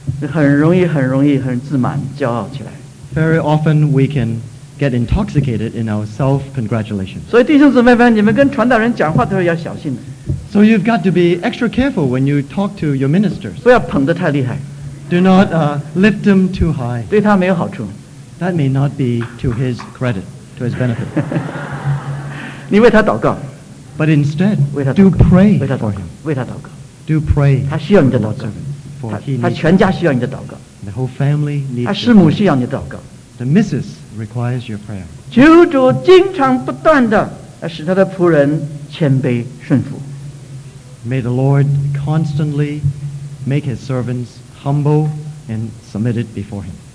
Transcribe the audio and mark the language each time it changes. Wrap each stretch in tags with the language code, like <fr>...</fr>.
<zh>很容易很自满，骄傲起来。</zh> <en>Very often we can. Get intoxicated in our self-congratulation.</en> <zh>所以弟兄姊妹们，你们跟传道人讲话都要小心。</zh> <en>So you've got to be extra careful when you talk to your ministers.</en> <zh>不要捧得太厉害。</zh> <en>Do not lift them too high.</en> <zh>对他没有好处。</zh> <en>That may not be to his credit, to his benefit.</en> <zh>你为他祷告。</zh> <en>But instead,</en> <zh>为他祷告。</zh> <en>Do pray</en> <zh>为他祷告</zh> <en>for him.</en> <zh>为他祷告。</zh> <en>Do pray.</en> <zh>他需要你的祷告。</zh> <en>For he needs.</en> <zh>他全家需要你的祷告。</zh> <en>The whole family needs.</en> <zh>他师母需要你的祷告。</zh> <en>The missus requires your prayer.</en> <zh>求主经常不断地使他的仆人谦卑顺服。</zh> <en>May the Lord constantly make his servants humble and submitted before him.</en>